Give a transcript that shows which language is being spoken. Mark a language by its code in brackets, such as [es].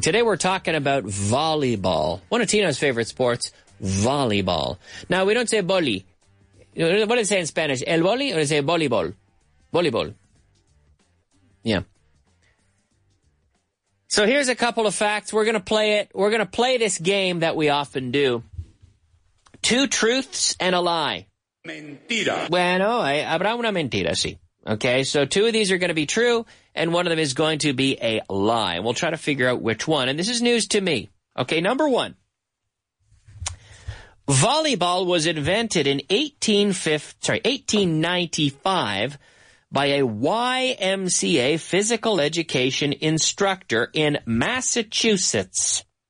[en] Today we're talking about volleyball. One of Tino's favorite sports, volleyball. Now, we don't say boli. What do they say in Spanish? [es] El boli, [en] or do they say volleyball? Volleyball. Yeah. So here's a couple of facts. We're going to play it. We're going to play this game that we often do. Two truths and a lie. [es] Mentira. Bueno, habrá una mentira, sí. [en] Okay, so two of these are going to be true, and one of them is going to be a lie. We'll try to figure out which one. And this is news to me. Okay, number one. Volleyball was invented in 1895 by a YMCA physical education instructor in Massachusetts.